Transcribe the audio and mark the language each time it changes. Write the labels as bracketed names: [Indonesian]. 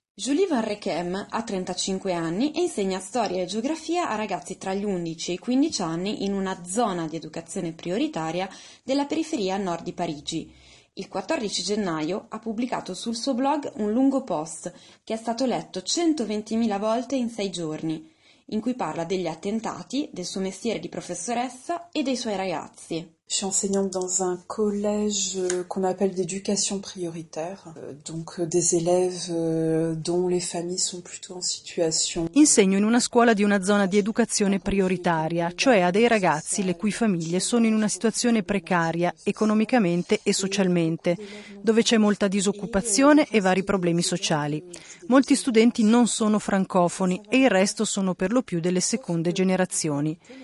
[Italian] Julie Van Rekem ha 35 anni e insegna storia e geografia a ragazzi tra gli 11 e i 15 anni in una zona di educazione prioritaria della periferia nord di Parigi. Il 14 gennaio ha pubblicato sul suo blog un lungo post che è stato letto 120.000 volte in 6 giorni, in cui parla degli attentati, del suo mestiere di professoressa e dei suoi ragazzi. [French] Je suis enseignante dans un collège qu'on appelle d'éducation prioritaire, donc des élèves dont les familles sont plutôt en situation. [Italian] Insegno in una scuola di una zona di educazione prioritaria, cioè a dei ragazzi le cui famiglie sono in una situazione precaria economicamente e socialmente, dove c'è molta disoccupazione e vari problemi sociali. Molti studenti non sono francofoni e il resto sono per lo più delle seconde generazioni.